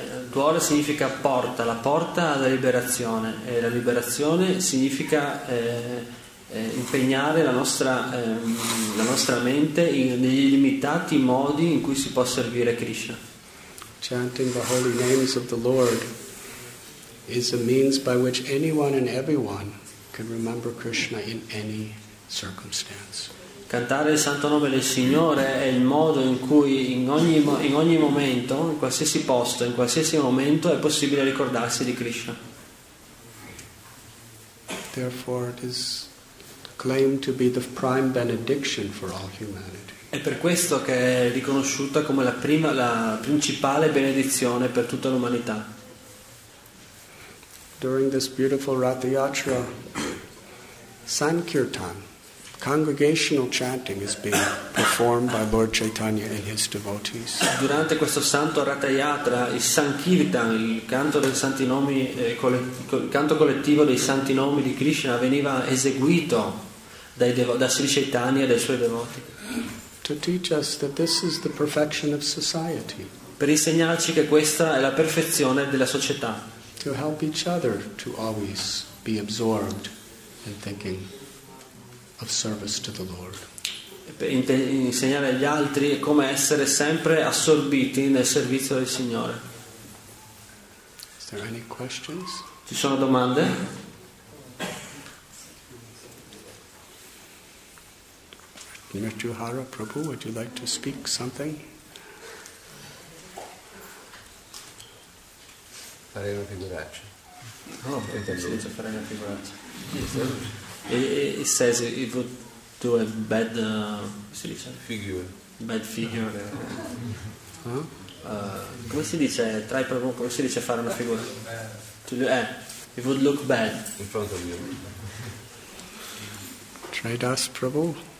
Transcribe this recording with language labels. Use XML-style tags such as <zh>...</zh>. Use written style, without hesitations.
<it>Dwara significa porta, la porta alla liberazione, e la liberazione significa impegnare la nostra mente negli illimitati modi in cui si può servire Krishna.</it> <en>Chanting the holy names of the Lord is a means by which anyone and everyone can remember Krishna in any circumstance.</en> <it>Cantare il santo nome del Signore è il modo in cui in ogni momento, in qualsiasi posto, in qualsiasi momento è possibile ricordarsi di Krishna.</it> <en>Therefore it is claimed to be the prime benediction for all humanity.</en> <it>È per questo che è riconosciuta come la principale benedizione per tutta l'umanità.</it> <en>During this beautiful Rath Yatra, Sankirtan, congregational chanting, is being performed by Lord Chaitanya and his devotees.</en> <it>Durante questo santo Rath Yatra, il Sankirtan, il canto dei santi nomi, canto collettivo dei santi nomi di Krishna, veniva eseguito da Sri Chaitanya e dai suoi devoti.</it> <en>To teach us that this is the perfection of society.</en> <it>Per insegnarci che questa è la perfezione della società.</it> <en>To help each other to always be absorbed in thinking of service to the Lord.</en> <it>Per insegnare agli altri come essere sempre assorbiti nel servizio del Signore.</it> <en>Is there any questions?</en> <it>Ci sono domande?</it> <en>Mrityuhara Prabhu, would you like to speak something?</en> <it>Fare una figuraccia. No, intendo fare una figuraccia.</it> <en>It says it would do a bad</en> <it>si dice?</it> <en>Figure. Bad figure.</en> <it>Come si dice? Try proprio come si dice fare una figura.</it> <en>It would look bad. In front of you. Try das Prabhu.</en>